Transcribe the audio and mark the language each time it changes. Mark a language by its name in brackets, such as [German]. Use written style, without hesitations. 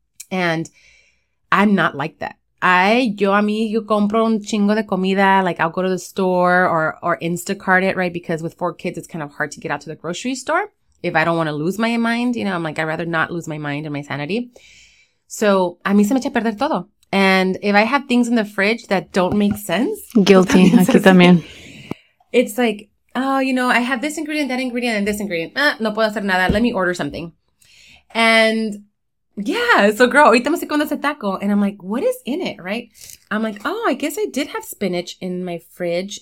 [English] And I'm not like that. [Spanish] Yo compro un chingo de comida. [English] Like, I'll go to the store or Instacart it, right? Because with four kids, it's kind of hard to get out to the grocery store if I don't want to lose my mind. You know, I'm like, I'd rather not lose my mind and my sanity. [Spanish] So a mí se me echa a perder todo. [English] And if I have things in the fridge that don't make sense. Guilty. [Spanish] Aquí también. [English] It's like, oh, you know, I have this ingredient, that ingredient, and this ingredient. [Spanish] No puedo hacer nada. [English] Let me order something. And yeah, so girl, [Spanish] ahorita me estoy comiendo ese taco. [English] And I'm like, what is in it, right? I'm like, oh, I guess I did have spinach in my fridge.